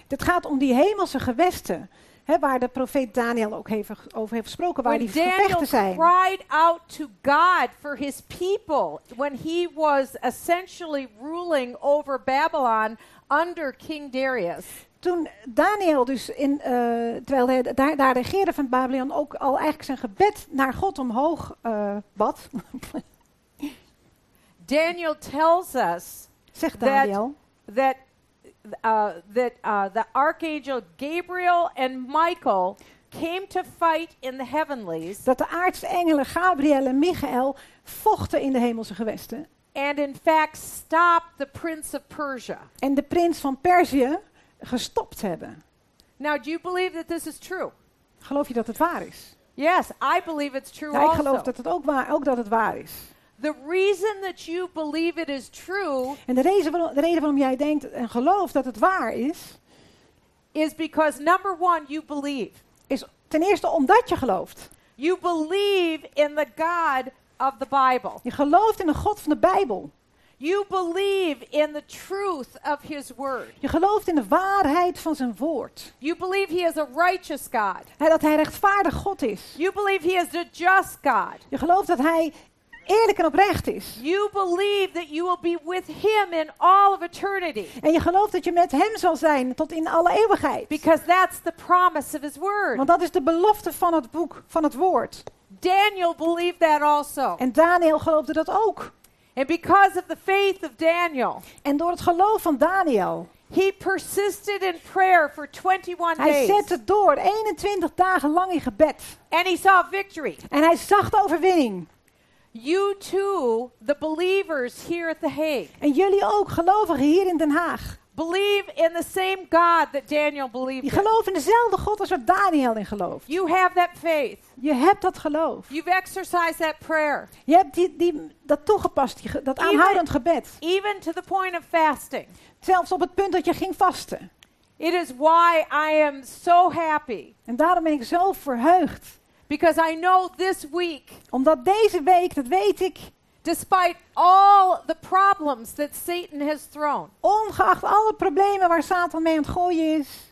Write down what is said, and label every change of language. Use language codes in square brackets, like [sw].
[nl] Het gaat om die hemelse gewesten. Waar de profeet Daniel ook over heeft gesproken, waar [en] when [nl] die gevechten zijn. [en] Daniel cried out to God for his people when he was essentially ruling over Babylon under King Darius. [nl] Toen Daniel dus terwijl hij daar regeerde van Babylon, ook al eigenlijk zijn gebed naar God omhoog bad. [en] Daniel tells us, [nl] zegt Daniel, [en] The archangel Gabriel and Michael came to fight in the heavenlies. [nl] Dat de aartsengelen Gabriel en Michael vochten in de hemelse gewesten. [en] And in fact stopped the prince of Persia. [nl] En de prins van Perzië gestopt hebben. [en] Now, do you believe that this is true? [nl] Geloof je dat het waar is? [en] Yes, I believe it's true. [nl] Ik geloof dat het ook dat het waar is. [en] The reason that you believe it is true, [nl] en de reden waarom jij denkt en gelooft dat het waar is, [en] is because number one, you believe. [nl] Is ten eerste omdat je gelooft. [en] You believe in the God of the Bible. [nl] Je gelooft in de God van de Bijbel. [en] You believe in the truth of his word. [nl] Je gelooft in de waarheid van zijn woord. [en] You believe he is a righteous God. [nl] En dat hij rechtvaardig God is. [en] You believe he is a just God. [nl] Je gelooft dat hij eerlijk en oprecht is. [en] You believe that you will be with him in all of eternity. [nl] En je gelooft dat je met hem zal zijn tot in alle eeuwigheid. [en] Because that's the promise of his word. [nl] Want dat is de belofte van het boek, van het woord. [en] Daniel believed that also. [nl] En Daniel geloofde dat ook. [en] And because of the faith of Daniel. [nl] En door het geloof van Daniel. [en] He persisted in prayer for 21 days. [nl] Hij zette door 21 dagen lang in gebed. [en] And he saw victory. [nl] En hij zag de overwinning. [en] You too, the believers here at The Hague. [nl] En jullie ook, gelovigen hier in Den Haag. [en] Believe in the same God that Daniel believed. [nl] Je gelooft in dezelfde God als wat Daniel in gelooft. [en] You have that faith. [nl] Je hebt dat geloof. [en] You've exercised that prayer. [nl] Je hebt dat toegepast, dat aanhoudend gebed. [en] Even to the point of fasting. [nl] Zelfs op het punt dat je ging vasten. [en] It is why I am so happy. [nl] En daarom ben ik zo verheugd. [en] Because I know this week, [nl] omdat deze week, dat weet ik, [en] despite all the problems that Satan has thrown, [nl] ongeacht alle problemen waar Satan mee aan het gooien is,